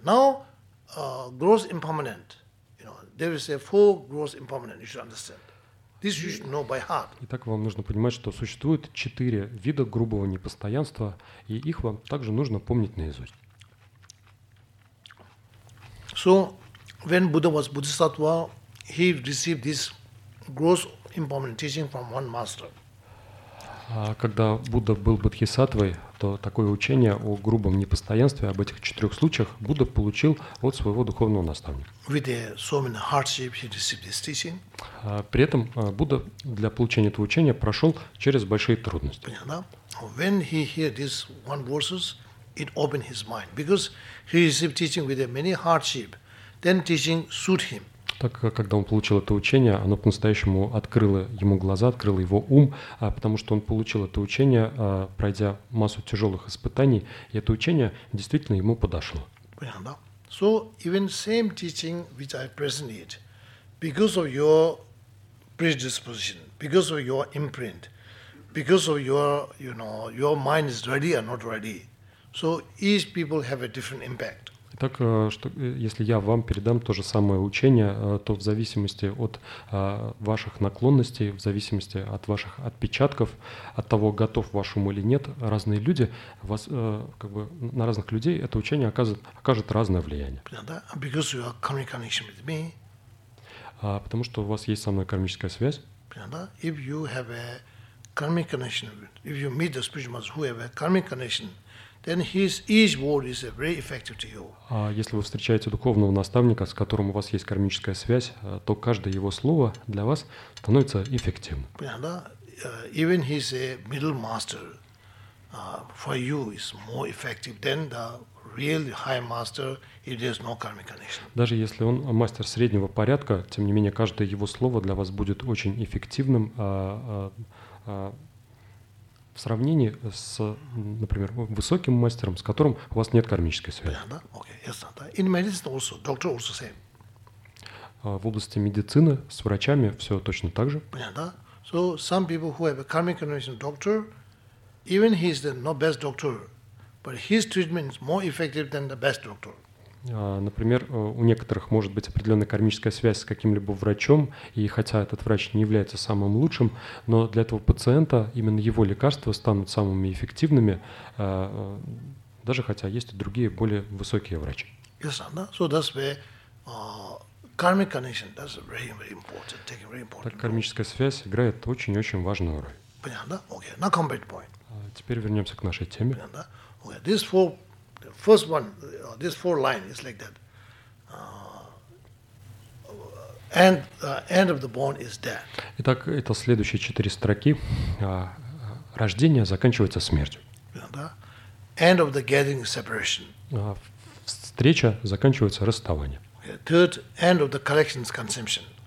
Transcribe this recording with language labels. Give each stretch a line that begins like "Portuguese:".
English: Now, gross impermanent, you know, there is a four gross impermanent, you should understand. This you should know by heart.
Russian: Итак, вам нужно понимать, что существует четыре вида грубого непостоянства, и их вам также нужно помнить наизусть.
English: So, when Buddha was Bodhisattva, he received this gross impermanent teaching from one master.
Russian: Когда Будда был бодхисаттвой, то такое учение о грубом непостоянстве, об этих четырех случаях, Будда получил от своего духовного наставника. При этом Будда для получения этого учения прошел через большие трудности. Понятно?
English: When he hear these one verses, it opened his mind. Because he received teaching with many hardship, then teaching suit him.
Russian: Так, когда он получил это учение, оно по-настоящему открыло ему глаза, открыло его ум, потому что он получил это учение, пройдя массу тяжелых испытаний, и это учение действительно ему подошло. Понятно, да?
English: So, even same teaching which I present, because of your predisposition, because of your imprint, because of your, you know, your mind is ready or not ready, so each people have a different impact.
Russian: Так, что, если я вам передам то же самое учение, то в зависимости от ваших наклонностей, в зависимости от ваших отпечатков, от того, готов ваш ум или нет, разные люди, вас, как бы, на разных людей это учение окажет разное влияние.
English: Because you have karmic connection with me.
Russian: Потому что у вас есть со мной кармическая связь.
English: If you have a karmic connection, if you meet the spiritual master who have a karmic connection, then his word is very effective to you.
Russian: А если вы встречаете духовного наставника, с которым у вас есть кармическая связь, то каждое его слово для вас становится эффективным. Понятно?
English: Even he's a middle master, for you is more effective than the real high master if there's no karmic connection.
Russian: Даже если он мастер среднего порядка, тем не менее каждое его слово для вас будет очень эффективным. В сравнении с, например, высоким мастером, с которым у вас нет кармической связи. Понятно, да? Окей, ясно, да?
English: In medicine also, doctor also same.
Russian: В области медицины с врачами все точно так же. Понятно, да?
English: So some people who have a karmic connection doctor, even he is the not best doctor, but his treatment is more effective than the best doctor.
Russian: Например, у некоторых может быть определенная кармическая связь с каким-либо врачом, и хотя этот врач не является самым лучшим, но для этого пациента именно его лекарства станут самыми эффективными, даже хотя есть и другие более высокие врачи.
English: Yes, so that's where karmic connection, that's very, very important, taking very important role.
Russian: Так, кармическая связь играет очень-очень важную роль. Понятно, да?
English: Okay, now come back point.
Russian: Теперь вернемся к нашей теме. Понятно, да?
English: Okay, this four... First one, these four lines is like that. End of the bone is death.
Russian: Итак, это следующие четыре строки. рождение заканчивается смертью.
English: End of the gathering separation.
Russian: Встреча заканчивается расставанием.
English: Third, end of the collection's consumption.